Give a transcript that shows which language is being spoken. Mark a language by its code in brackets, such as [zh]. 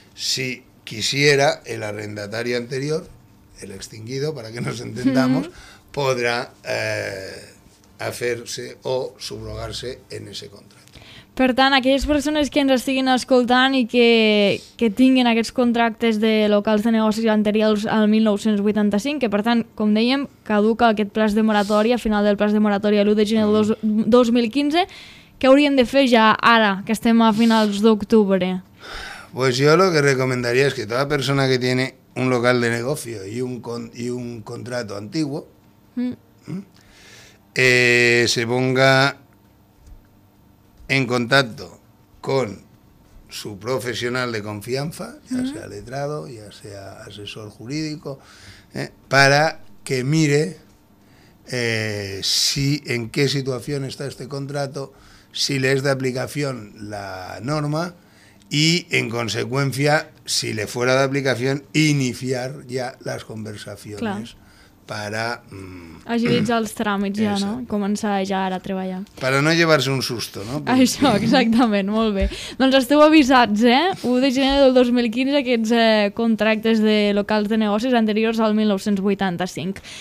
[es] Si quisiera el arrendatario anterior, el extinguido, para que nos entendamos, podrá hacerse o subrogarse en ese contrato. [ca] Per tant, aquelles persones que ens estiguin escoltant i que tinguin aquests contractes de locals de negocis anteriors al 1985, que per tant, com dèiem, caduca aquest plaç de moratòria, final del plaç de moratòria l'1 de gener del 2015, què haurien de fer ja ara, que estem a finals d'octubre? [es] Pues yo lo que recomendaría es que toda persona que tiene un local de negocio y un contrato antiguo se ponga en contacto con su profesional de confianza, ya sea letrado, ya sea asesor jurídico, para que mire en qué situación está este contrato, si le es de aplicación la norma y en consecuencia, si le fuera de aplicación, iniciar ya las conversaciones. [ca] Clar. Para agilitzar els tràmits ja, no? Començar ja ara a treballar. [es] Para no llevarse un susto, no? [ca] Això, exactament, molt bé. Doncs esteu avisats, eh? 1 de gener del 2015, aquests contractes de locals de negocis anteriors al 1985.